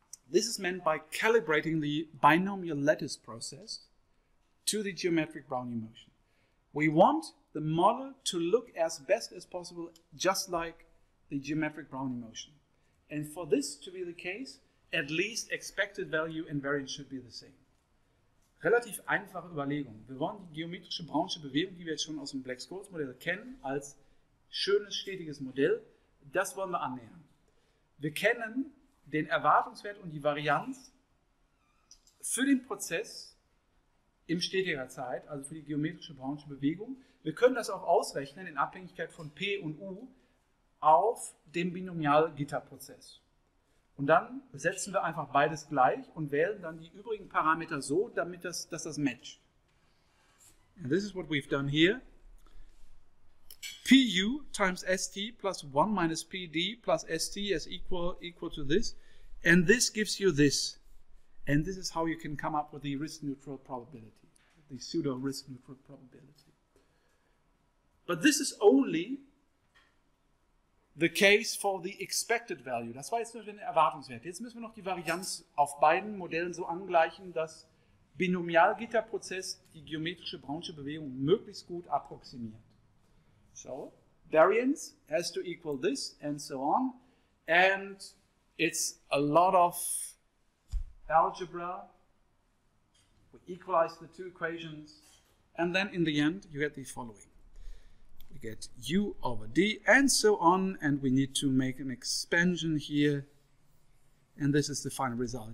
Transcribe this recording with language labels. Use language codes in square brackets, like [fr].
[en] This is meant by calibrating the binomial lattice process to the geometric Brownian motion. We want the model to look as best as possible, just like the geometric Brownian motion. And for this to be the case, at least expected value and variance should be the same. [de] Relativ einfache Überlegung. Wir wollen die geometrische Brownsche Bewegung, die wir jetzt schon aus dem Black-Scholes-Modell kennen, als schönes, stetiges Modell, das wollen wir annähern. Wir kennen den Erwartungswert und die Varianz für den Prozess in stetiger Zeit, also für die geometrische Brownsche Bewegung. Wir können das auch ausrechnen in Abhängigkeit von P und U auf dem Binomialgitterprozess. Und dann setzen wir einfach beides gleich und wählen dann die übrigen Parameter so, damit dass das matcht. [en] And this is what we've done here. Pu times st plus 1 minus pd plus st is equal to this. And this gives you this. And this is how you can come up with the risk-neutral probability, the pseudo-risk-neutral probability. But this is only the case for the expected value. [de] Das war jetzt nur der Erwartungswert. Jetzt müssen wir noch die Varianz auf beiden Modellen so angleichen, dass Binomialgitterprozess die geometrische Brownsche Bewegung möglichst gut approximiert. [en] So, variance has to equal this and so on. And it's a lot of algebra. We equalize the two equations. And then in the end, you get the following. We get u over d and so on, and we need to make an expansion here, and this is the final result.